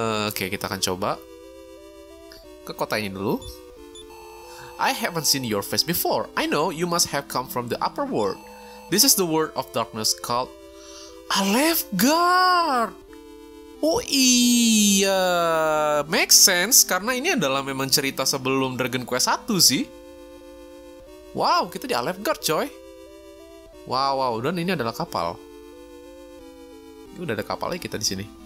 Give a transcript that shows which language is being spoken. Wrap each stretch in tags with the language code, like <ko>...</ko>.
<id>Oke, kita akan coba ke kota ini dulu.</id> <en>I haven't seen your face before. I know you must have come from the upper world. This is the world of darkness called Alefgard.</en> <id>Oh iya,</id> <en>makes sense</en> <id>karena ini adalah memang cerita sebelum Dragon Quest 1 sih. Wow, kita di Alefgard, coy. Wow, dan ini adalah kapal. Ini udah ada kapalnya kita di sini.</id>